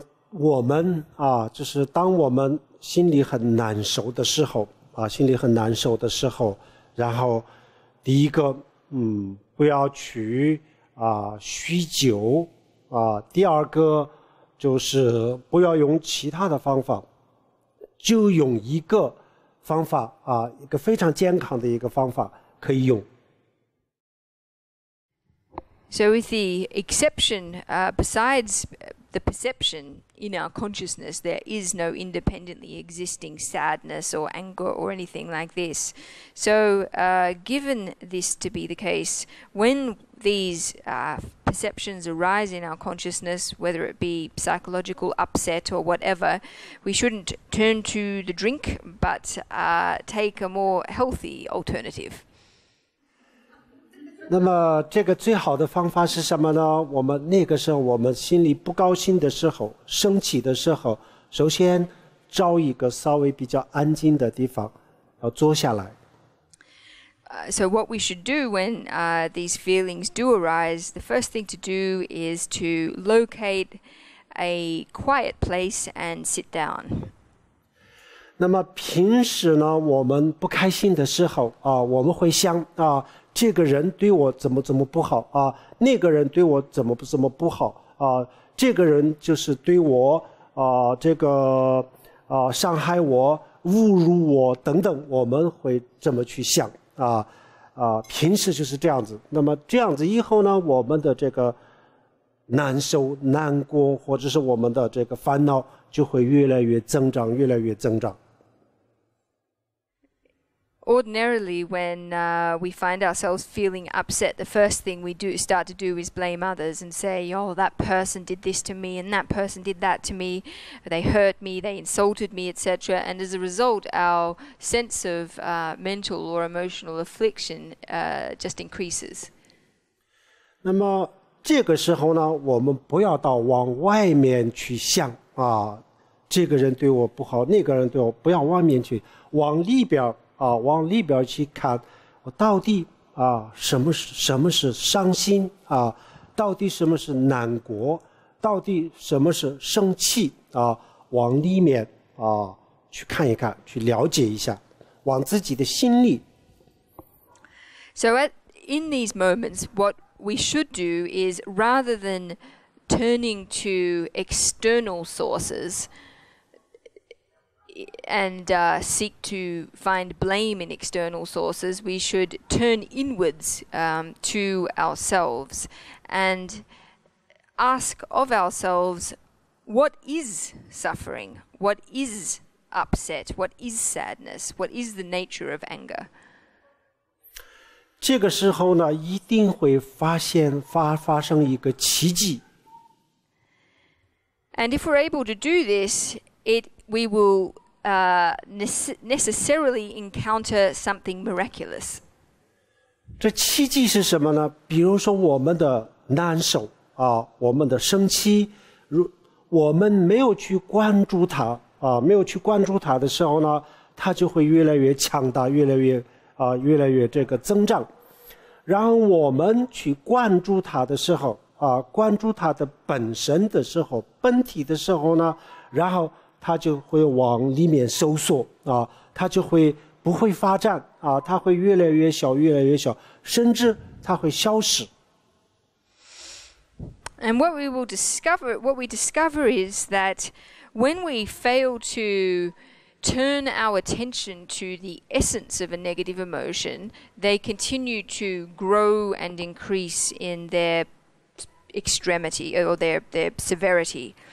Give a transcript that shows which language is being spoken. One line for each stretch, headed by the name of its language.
Chinese: 我们啊，就是当我们心里很难受的时候啊，心里很难受的时候，然后第一个，不要去啊酗酒啊，第二个就是不要用其他的方法，就用一个方法啊，一个非常健康的一个方法可以用。
English: So with the exception, besides the perception in our consciousness, there is no independently existing sadness or anger or anything like this. So given this to be the case, when these perceptions arise in our consciousness, whether it be psychological upset or whatever, we shouldn't turn to the drink, but take a more healthy alternative.
Chinese: 那么这个最好的方法是什么呢？我们那个时候我们心里不高兴的时候，生气的时候，首先找一个稍微比较安静的地方，要坐下来。
English: So what we should do when these feelings do arise, the first thing to do is to locate a quiet place and sit down.
Chinese: 那么平时呢，我们不开心的时候啊，我们会想啊，这个人对我怎么怎么不好啊，那个人对我怎么怎么不好啊，这个人就是对我啊，这个啊，伤害我，侮辱我等等，我们会这么去想啊，啊，平时就是这样子。那么这样子以后呢，我们的这个难受、难过，或者是我们的这个烦恼，就会越来越增长，越来越增长。
English: Ordinarily, when we find ourselves feeling upset, the first thing we do start to do is blame others and say, oh, that person did this to me and that person did that to me. They hurt me, they insulted me, etc. And as a result, our sense of mental or emotional affliction just increases.
Chinese: 那么这个时候呢，我们不要到往外面去想啊，这个人对我不好，那个人对我，不要外面去，往里边啊，往里边去看，我到底啊，什么是伤心啊？到底什么是难过？到底什么是生气啊？往里面啊去看一看，去了解一下，往自己的心里。
English: So in these moments, what we should do is rather than turning to external sources. And seek to find blame in external sources, we should turn inwards to ourselves and ask of ourselves, what is suffering? What is upset? What is sadness? What is the nature of anger?
Chinese: 这个时候呢，一定会发生一个奇迹。
English: And if we're able to do this, we will... necessarily encounter something miraculous.
Chinese: 这奇迹是什么呢？比如说我们的难受啊，我们的生气，如我们没有去关注它啊，没有去关注它的时候呢，它就会越来越强大，越来越啊，越来越这个增长。然后我们去关注它的时候啊，关注它的本身的时候，本体的时候呢，然后。它就会往里面收缩啊，它就会不会发展啊，它会越来越小，越来越小，甚至它会消失。
English: And what we will discover, what we discover is that when we fail to turn our attention to the essence of a negative emotion, they continue to grow and increase in their extremity or their severity.